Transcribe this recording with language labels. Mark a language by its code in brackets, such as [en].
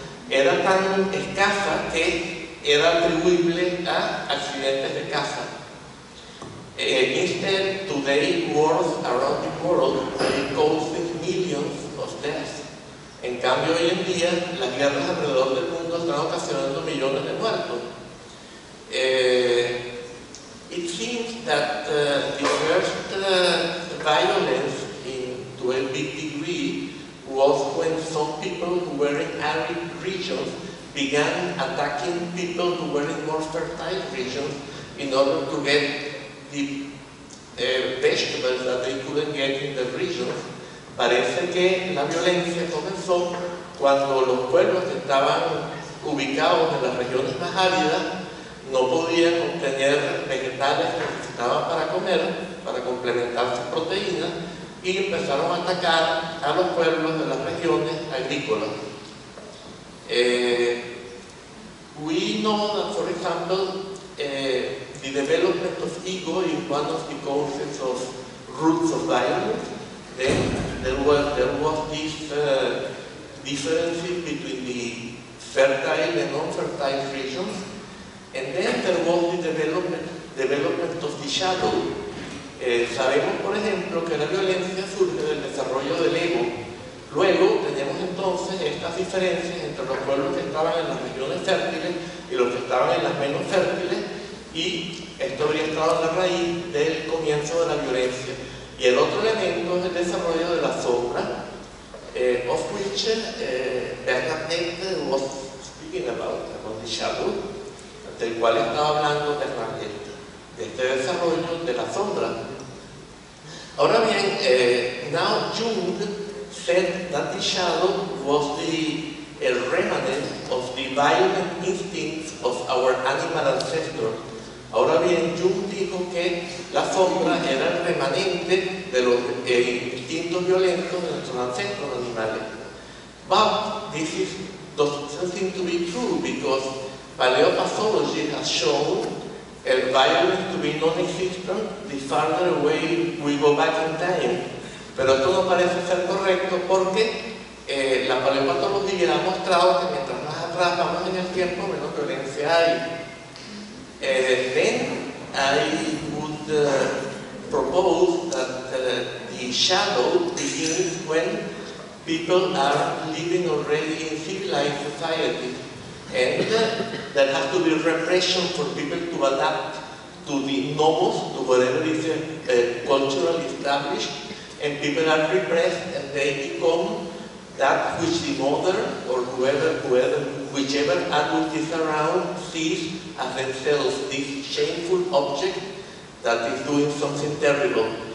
[es] Era tan escasa que era atribuible a accidentes de caza. [en] Instead, today wars around the world are causing millions of deaths. [es] En cambio, hoy en día, las guerras alrededor del mundo están ocasionando millones de muertos. [en] It seems that the first violence in, to a big degree was when some people who were in arid regions began attacking people who were in more fertile regions in order to get the vegetables that they couldn't get in the regions. [es] Parece que la violencia comenzó cuando los pueblos que estaban ubicados en las regiones más áridas no podían obtener vegetales que necesitaban para comer, para complementar sus proteínas, y empezaron a atacar a los pueblos de las regiones agrícolas. [en] We know that, for example, the development of ego is one of the causes of roots of violence. Then there was this difference between the fertile and non-fertile regions. And then there was the development of the shadow. [es] Sabemos, por ejemplo, que la violencia surge del desarrollo del ego. Luego, tenemos entonces estas diferencias entre los pueblos que estaban en las regiones fértiles y los que estaban en las menos fértiles, y esto habría estado a la raíz del comienzo de la violencia. Y el otro elemento es el desarrollo de la sombra, [en] of which Bernard Nette was speaking about the shadow, [es] del cual estaba hablando Bernard Nette, de este desarrollo de la sombra. Ahora bien, [en] now Jung said that the shadow was the remnant of the violent instincts of our animal ancestors. [es] Ahora bien, Jung dijo que la sombra era el remanente de los instintos violentos de nuestros ancestros animales. [en] But this is, doesn't seem to be true, because paleopathology has shown the violence to be non-existent the farther away we go back in time. [es] Pero esto no parece ser correcto porque la paleopatología ha mostrado que mientras más atrás vamos en el tiempo, menos violencia hay. [en] Then I would propose that the shadow begins when people are living already in civilized society. And there has to be repression for people to adapt to the nomos, to whatever is culturally established, and people are repressed and they become that which the mother or whichever adult is around sees as themselves, this shameful object that is doing something terrible.